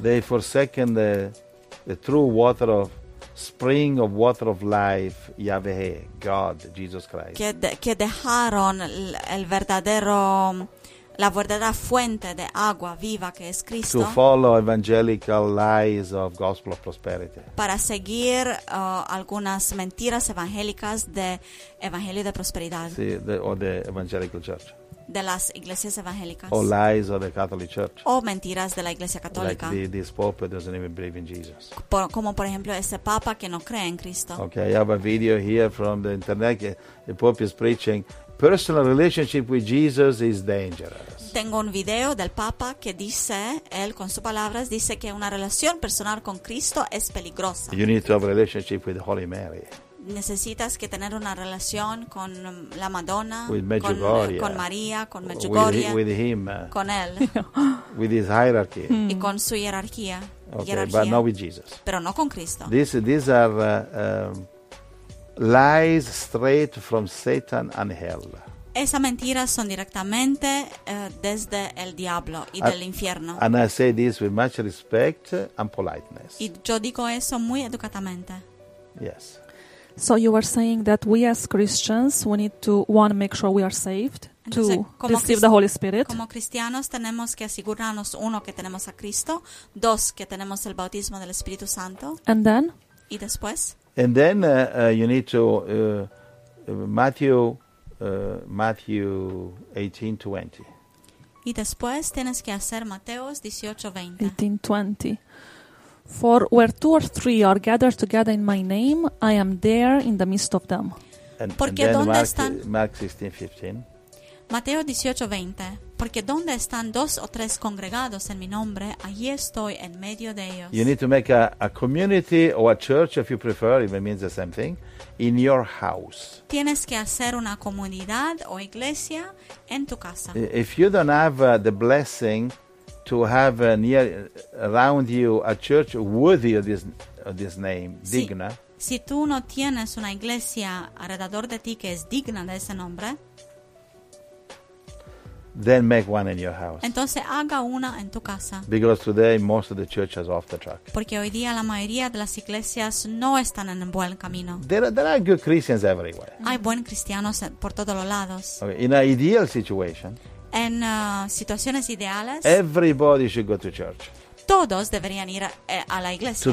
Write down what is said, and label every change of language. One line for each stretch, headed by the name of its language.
English: They forsaken the true water of spring of water of life, Yahweh, God, Jesus Christ.
Spanish: Que dejaron el verdadero la verdadera fuente de agua viva que es Cristo.
English: To follow evangelical lies of gospel of prosperity.
Spanish: Para seguir algunas mentiras evangélicas de evangelio de prosperidad. Sí, o de evangelical church. De las iglesias evangélicas.
English: Or lies of the Catholic church.
Spanish: O mentiras de la iglesia católica.
English: Like this Pope doesn't even believe in Jesus.
Spanish: Como por ejemplo este Papa que no cree en Cristo.
English: Okay, I have a video here from the internet. The Pope is preaching. Personal relationship with Jesus is dangerous.
Spanish: Tengo un video del Papa que dice, él con sus palabras, dice que una relación personal con Cristo es peligrosa.
English: You need to have a relationship with Holy Mary.
Spanish: Necesitas que tener una relación con la Madonna,
English: with Medjugorje,
Spanish: con María, con Medjugorje,
English: with him,
Spanish: con él,
English: with his hierarchy.
Spanish: Y con su hierarquía.
English: Okay,
Spanish: hierarquía,
English: but not with Jesus.
Spanish: Pero no con Cristo.
English: These are lies straight from Satan and hell.
Spanish: Esas mentiras son directamente desde el diablo y del infierno.
English: And I say this with much respect and politeness.
Spanish: Y yo digo eso muy educadamente.
English: Yes. So you were saying that we as Christians, we need to, one, make sure we are saved,
Spanish: entonces,
English: two, receive the Holy Spirit.
Spanish: Como cristianos tenemos que asegurarnos, uno, que tenemos a Cristo, dos, que tenemos el bautismo del Espíritu Santo.
English: And then?
Spanish: Y después.
English: And then you need to Matthew 18:20.
Spanish: Y después tienes que hacer Mateos 18:20. 18:20.
English: For where two or three are gathered together in my name, I am there in the midst of them. And porque then dónde están? Mark 16:15.
Spanish: Mateo 18:20. Porque dónde están dos o tres congregados en mi nombre, allí estoy en medio de ellos.
English: You need to make a community or a church, if you prefer, if it means the same thing, in your house.
Spanish: Tienes que hacer una comunidad o iglesia en tu casa.
English: If you don't have the blessing to have near around you a church worthy of this name,
Spanish: sí. Digna. Si tú no tienes una iglesia alrededor de ti que es digna de ese nombre.
English: then make one in your house.
Spanish: Entonces haga una en tu casa.
English: Because today most of the churches are off the track.
Spanish: Porque hoy día la mayoría de las iglesias no están en el buen camino.
English: There are good Christians everywhere.
Spanish: Hay buenos cristianos por todos los lados.
English: Okay, in an ideal situation.
Spanish: En situaciones ideales.
English: Everybody should go to church.
Spanish: Todos deberían ir a la iglesia.